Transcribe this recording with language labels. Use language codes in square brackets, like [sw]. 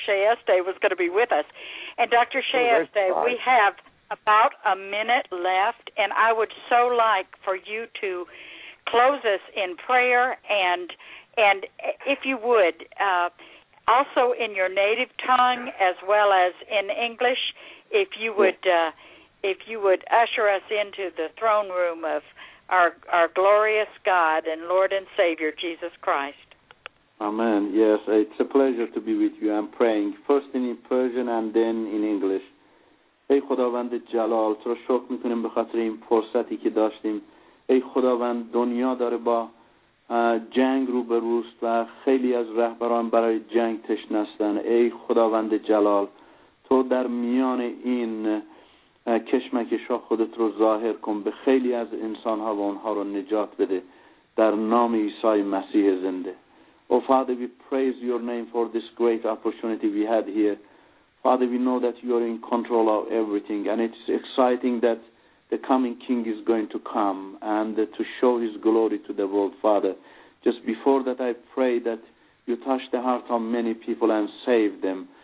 [en] Shayeste was going to be with us. And Dr. Shayeste, we have about a minute left, and I would so like for you to close us in prayer, and if you would, also in your native tongue as well as in English, if you would. If you would usher us into the throne room of our glorious God and Lord and Savior, Jesus Christ. Amen. Yes, it's a pleasure to be with you. I'm praying first in Persian and then in English. [fa] Ey خداوند جلال، تو رو شکر می‌کنیم به خاطر این فرصتی که داشتیم. ای خداوند، دنیا داره با جنگ روبروست و خیلی از رهبران برای جنگ تشنه هستند. ای خداوند جلال، تو در میان این کشمکش ها خودت رو ظاهر کن، به خیلی از انسان ها و اونها رو نجات بده در نام عیسی مسیح زنده. [en] Oh Father, we praise your name for this great opportunity we had here. Father, we know that you are in control of everything, and it's exciting that the coming king is going to come and to show his glory to the world, Father. Just before that, I pray that you touch the heart of many people and save them.